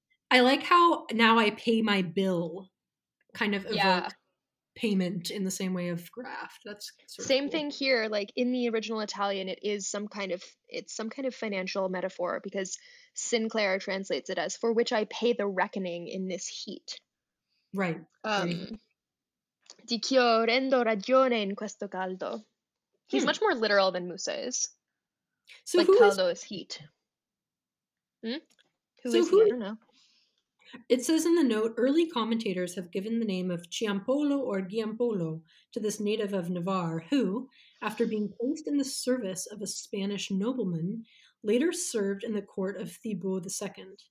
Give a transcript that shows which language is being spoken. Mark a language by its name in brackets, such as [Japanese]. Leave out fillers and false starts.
[English] I like how now I pay my bill kind of evoke payment in the same way of graft. That's sort same of cool. thing here. Like in the original Italian, it is some kind of financial metaphor because Sinclair translates it as for which I pay the reckoning in this heat. Right. [Italian] Di ch'io rendo ragione in questo caldo. [English] He's much more literal than Musa is. So like caldo is heat. Who is he? I don't know. It says in the note, early commentators have given the name of Ciampolo or Giampolo to this native of Navarre, who, after being placed in the service of a Spanish nobleman, later served in the court of Thibault II.